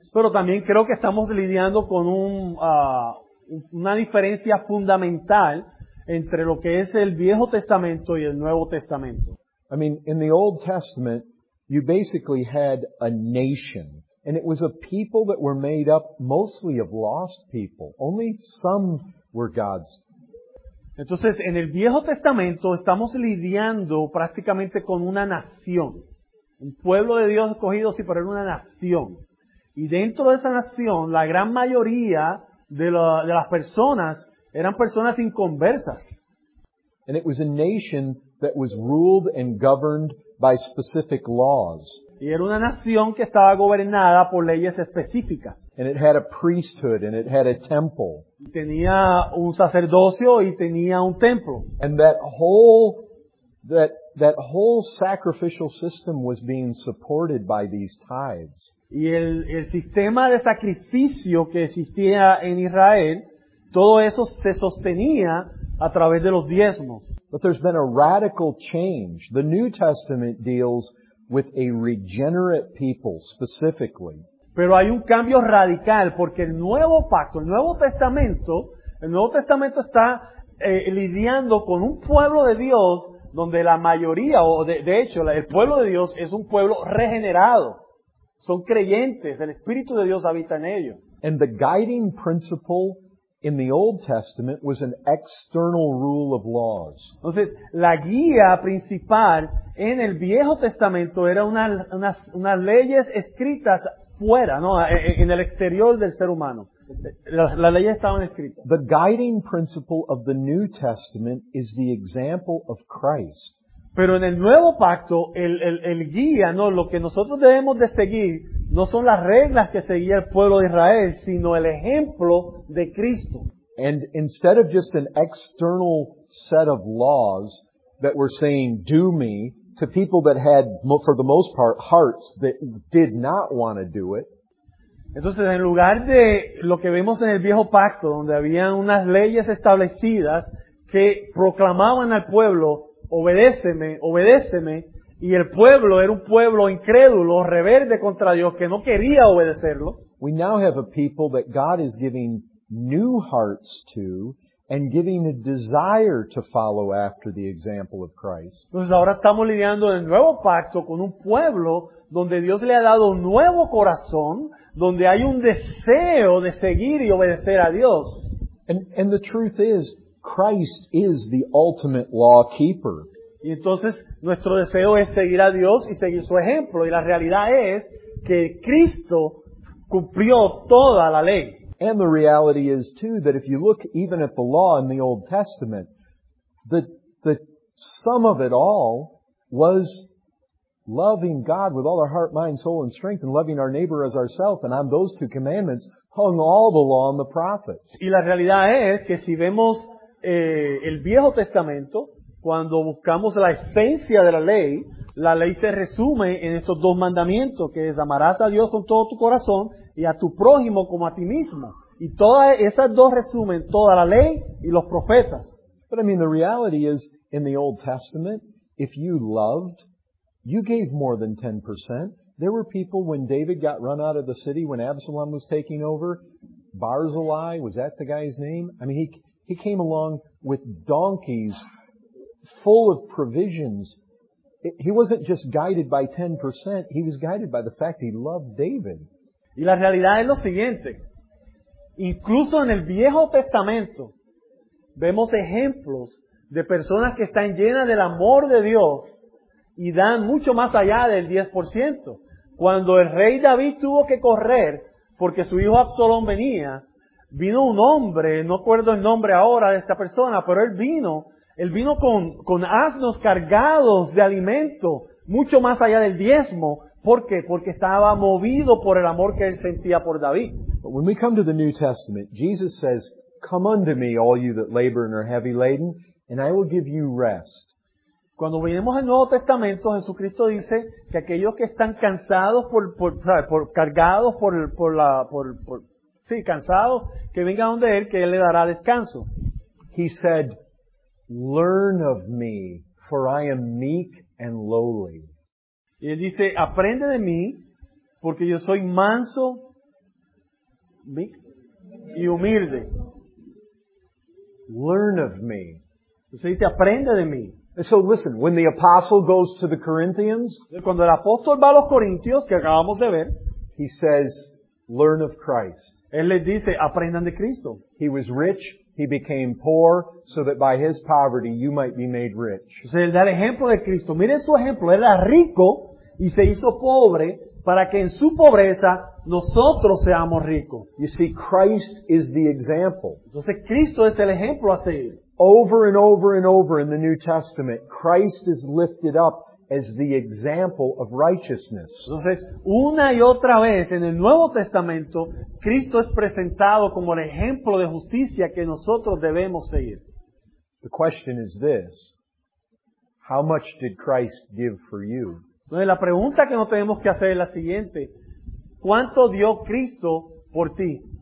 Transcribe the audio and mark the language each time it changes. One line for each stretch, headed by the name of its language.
Spanish: Pero también creo que estamos lidiando con una diferencia fundamental entre lo que es el Viejo Testamento y el Nuevo Testamento.
English: I mean, in the Old Testament, you basically had a nation. And it was a people that were made up mostly of lost people. Only some were God's.
Spanish: Entonces, en el Viejo Testamento estamos lidiando prácticamente con una nación. Un pueblo de Dios escogido, sí, pero era una nación. Y dentro de esa nación, la gran mayoría de las personas eran personas inconversas.
English: And it was a nation that was ruled and governed by specific laws.
Spanish: Y era una nación que estaba gobernada por leyes específicas.
English: And it had a priesthood and it had a temple.
Spanish: Tenía un sacerdocio y tenía un templo.
English: And that whole sacrificial system was being supported by these tithes.
Spanish: Y el sistema de sacrificio que existía en Israel, todo eso se sostenía a través de los diezmos.
English: But there's been a radical change. The New Testament deals with a regenerate people specifically.
Spanish: Pero hay un cambio radical porque el Nuevo Pacto, el Nuevo Testamento está lidiando con un pueblo de Dios donde la mayoría, o de hecho, el pueblo de Dios es un pueblo regenerado. Son creyentes, el Espíritu de Dios habita en ellos.
English: And the guiding principle in the Old Testament was an external rule of laws.
Spanish: Entonces, la guía principal en el Viejo Testamento era unas leyes escritas fuera, no, en el exterior del ser humano. Las leyes estaban escritas.
English: The guiding principle of the New Testament is the example of Christ.
Spanish: Pero en el Nuevo Pacto, el guía, no, lo que nosotros debemos de seguir no son las reglas que seguía el pueblo de Israel, sino el ejemplo de Cristo.
English: And instead of just an external set of laws that were saying do me to people that had, for the most part, hearts that did not want to do it.
Spanish: Entonces, en lugar de lo que vemos en el Viejo Pacto, donde había unas leyes establecidas que proclamaban al pueblo, obedéceme, obedéceme, y el pueblo era un pueblo incrédulo, rebelde contra Dios, que no quería obedecerlo.
English: We now have a people that God is giving new hearts to and giving a desire to follow after the example of Christ.
Spanish: Entonces ahora estamos lidiando en el Nuevo Pacto con un pueblo donde Dios le ha dado un nuevo corazón, donde hay un deseo de seguir y obedecer a Dios.
English: And the truth is, Christ is the ultimate law keeper.
Spanish: Y entonces nuestro deseo es seguir a Dios y seguir su ejemplo. Y la realidad es que Cristo cumplió toda la ley.
English: And the reality is too that if you look even at the law in the Old Testament, the sum of it all was loving God with all our heart, mind, soul, and strength, and loving our neighbor as ourselves. And on those two commandments hung all the law and the prophets.
Spanish: Y la realidad es que si vemos el Viejo Testamento, cuando buscamos la esencia de la ley se resume en estos dos mandamientos, que es amarás a Dios con todo tu corazón y a tu prójimo como a ti mismo. Y todas esas dos resumen toda la ley y los profetas.
English: But I mean, the reality is, in the Old Testament, if you loved, you gave more than 10%. There were people when David got run out of the city, when Absalom was taking over, Barzillai, was that the guy's name? I mean, he came along with donkeys full of provisions. He wasn't just guided by 10%, he was guided by the fact he loved David.
Spanish: Y la realidad es lo siguiente. Incluso en el Viejo Testamento vemos ejemplos de personas que están llenas del amor de Dios y dan mucho más allá del 10%. Cuando el rey David tuvo que correr porque su hijo Absalón venía, vino un hombre, no acuerdo el nombre ahora de esta persona, pero él vino con asnos cargados de alimento, mucho más allá del diezmo. ¿Por qué? Porque estaba movido por el amor que él sentía por David.
English: But when we come to the New Testament, Jesus says, come unto me, all you that labor and are heavy laden, and I will give you rest.
Spanish: Cuando venimos al Nuevo Testamento, Jesucristo dice que aquellos que están cansados cansados, que vengan donde él, que él le dará descanso.
English: He said, learn of me, for I am meek and lowly.
Spanish: Y él dice, aprende de mí, porque yo soy manso meek y humilde.
English: Learn of me.
Spanish: Se dice, aprende de mí.
English: And so listen, when the apostle goes to the Corinthians,
Spanish: cuando el apóstol va a los Corintios, que acabamos de ver,
English: he says, learn of Christ.
Spanish: Él les dice, aprendan de Cristo.
English: He was rich, he became poor, so that by his poverty you might be made rich.
Spanish: Entonces, él da el ejemplo de Cristo. Mire su ejemplo, él era rico y se hizo pobre para que en su pobreza nosotros seamos ricos.
English: You see, Christ is the example.
Spanish: Entonces, Cristo es el ejemplo a seguir.
English: Over and over and over in the New Testament, Christ is lifted up as the example of righteousness.
Spanish: Entonces, una y otra vez en el Nuevo Testamento, Cristo es presentado como el ejemplo de justicia que nosotros debemos seguir.
English: The question is this: how much did Christ give for you?
Spanish: Entonces, la pregunta que nos tenemos que hacer es la siguiente: ¿cuánto dio Cristo por ti?